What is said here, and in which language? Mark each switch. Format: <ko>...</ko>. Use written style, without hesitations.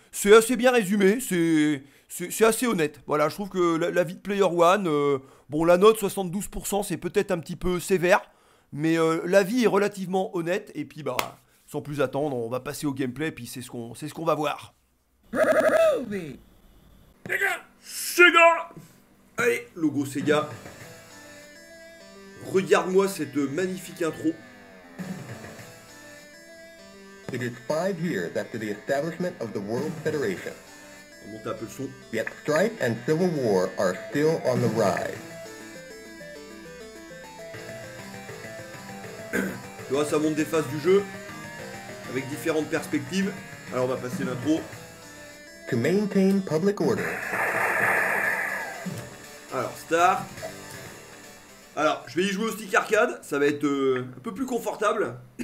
<fr>C'est assez bien résumé, c'est assez honnête. Voilà, je trouve que la vie de Player One, bon, la note 72%, c'est peut-être un petit peu sévère, mais la vie est relativement honnête, et puis bah, sans plus attendre, on va passer au gameplay, et puis c'est ce qu'on va voir. Sega ! Allez, logo Sega. Regarde-moi cette magnifique intro.</fr> <en>It is 5 years after the establishment of the World Federation.</en> <fr>On monte un peu le son.</fr> <en>Yet strife and civil war are still on the rise.</en> <fr>Tu vois, ça monte des phases du jeu avec différentes perspectives. Alors on va passer l'intro.</fr> <en>To maintain public order.</en> <fr>Alors start. Alors, je vais y jouer au stick arcade, ça va être un peu plus confortable.</fr>